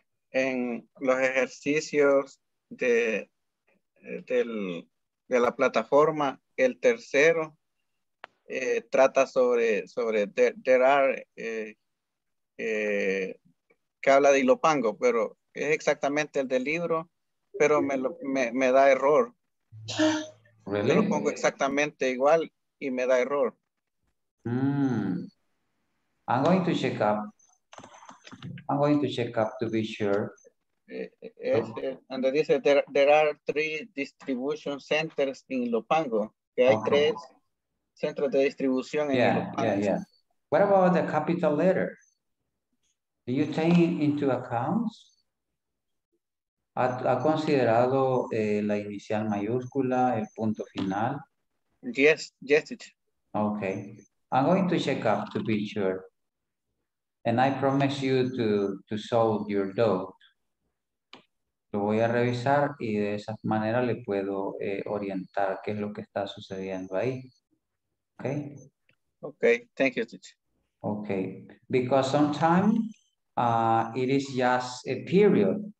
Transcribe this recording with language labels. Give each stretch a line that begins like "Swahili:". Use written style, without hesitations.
Spanish: En los ejercicios de la plataforma, el tercero trata sobre there are que habla de Ilopango, pero es exactamente el del libro, pero me da error.
English: Really?
Spanish: Yo lo pongo exactamente igual y me da error.
English: I'm going to check up to be sure.
Spanish: Donde dice
English: there are three distribution centers in Ilopango,
Spanish: que hay tres centros de distribución en Ilopango.
English: Yeah. What about the capital letter? Do you take into account?
Spanish: ¿Ha considerado la inicial mayúscula, el punto final?
English: Yes, teacher. Okay. I'm going to check up to be sure. And I promise you to solve your doubt.
Spanish: Lo voy a revisar y de esa manera le puedo orientar qué es lo que está sucediendo ahí.
English: Okay. Okay. Thank you, teacher. Okay. Because sometimes it is just a period.